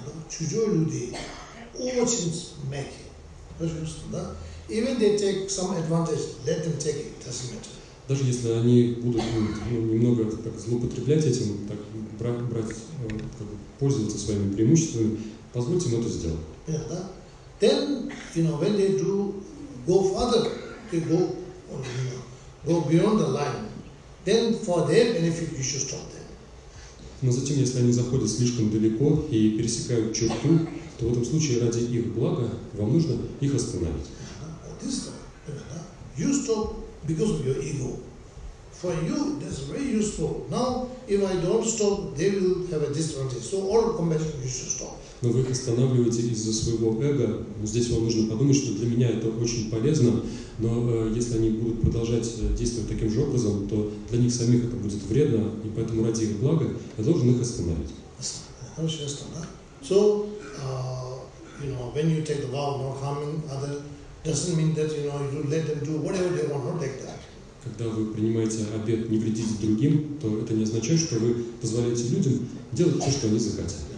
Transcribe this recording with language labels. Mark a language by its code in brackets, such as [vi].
[ru] Чужие люди очень мягкие. Пожалуйста, да? [en] Even they take some advantage, let them take it, doesn't matter. [ru] Даже если они будут немного так злоупотреблять этим, так пользоваться своими преимуществами, позвольте им это сделать. Yeah, да? [en] Then, you know, when they do go further, they go, you know, go beyond the line. Then for their benefit, you should stop them. [ru] Но затем, если они заходят слишком далеко и пересекают черту, то в этом случае ради их блага вам нужно их остановить. Вот это, да? [en] You stop because of your ego. For you, that's very useful. Now, if I don't stop, they will have a disadvantage. So all compassion, you should stop. [ru] Но вы их останавливаете из-за своего эго. Здесь вам нужно подумать, что для меня это очень полезно, но если они будут продолжать действовать таким же образом, то для них самих это будет вредно, и поэтому ради их блага я должен их остановить. Хорошо, я остановлю. [en] So, you know, when you take the vow of not harming others, doesn't mean that, you know, you let them do whatever they want, not like that. [ru] Когда вы принимаете обет не вредить другим, то это не означает, что вы позволяете людям делать все, что они захотят.